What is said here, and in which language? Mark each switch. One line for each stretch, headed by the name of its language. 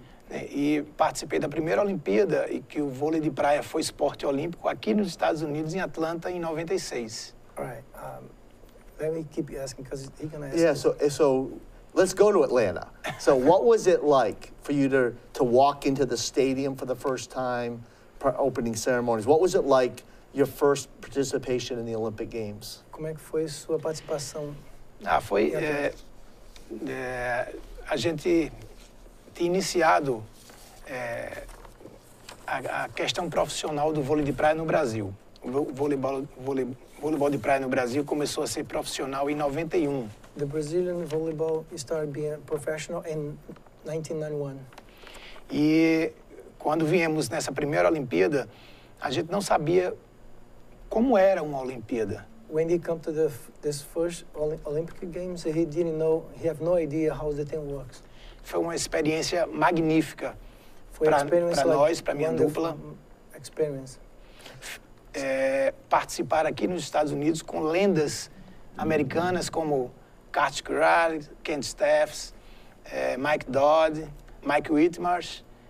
Portuguese: E participei da primeira Olimpíada e que o vôlei de praia foi esporte olímpico aqui nos Estados Unidos, em Atlanta, em 96.
English: Let me keep asking because he's gonna ask. Yeah, so let's go to Atlanta. So what was it like for you to walk into the stadium for the first time, opening ceremonies? What was it like your first participation in the Olympic Games?
Portuguese: Como é que foi sua participação? A gente tinha iniciado a questão profissional do vôlei de praia no Brasil. O voleibol de praia no Brasil começou a ser profissional em 91.
English: The Brazilian volleyball started being professional in 1991.
Portuguese: E quando viemos nessa primeira Olimpíada, a gente não sabia como era uma Olimpíada.
English: When he came to this first Olympic Games, he have no idea how the thing works.
Portuguese: Foi uma experiência magnífica para nós, like para minha dupla.
English: Experience.
Portuguese: Participar aqui nos Estados Unidos com lendas americanas como Kurt Curry, Kent Steffes, Mike Dodd, Mike Whitmarsh.